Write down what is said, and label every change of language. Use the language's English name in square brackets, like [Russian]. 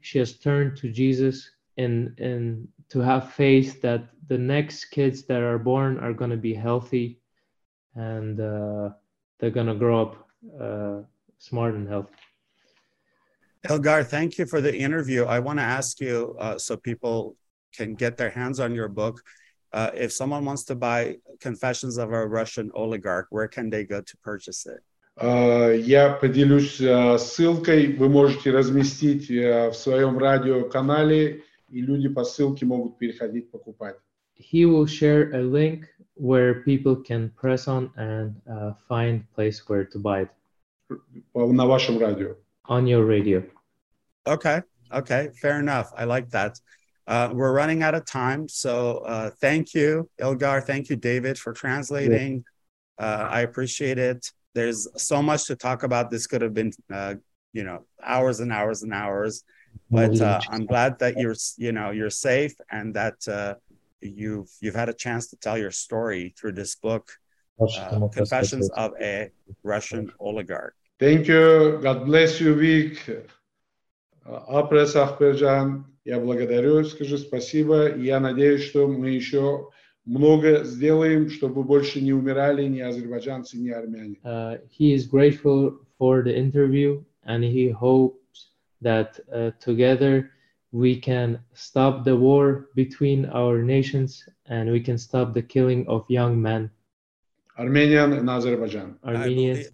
[English] She has turned to Jesus in to have faith that the next kids that are born are going to be healthy and they're going to grow up smart and healthy. Ilgar, thank you for the interview. I want to ask you so people can get their hands on your book. If someone wants to buy Confessions of a Russian Oligarch, where can they go to purchase it? [Russian] Я поделюсь ссылкой. Вы можете разместить в своем радиоканале, и люди по ссылке могут переходить покупать. [English] He will share a link where people can press on and find place where to buy it. [Russian] На вашем радио. [English] On your radio. Okay. Okay, fair enough. I like that. We're running out of time. So thank you, Ilgar. Thank you, David, for translating. I appreciate it. There's so much to talk about. This could have been, you know, hours and hours and hours. But I'm glad that you're safe and that you've had a chance to tell your story through this book, Confessions of a Russian Oligarch. Thank you. God bless you, Vic. [Armenian] Апрес Ахперджан, [Russian] я благодарю, скажу спасибо. Я надеюсь, что мы еще много сделаем, чтобы больше не умирали ни азербайджанцы, ни армяне. [English] He is grateful for the interview, and he hopes that together we can stop the war between our nations, and we can stop the killing of young men. Armenian and Azerbaijan. Armenian.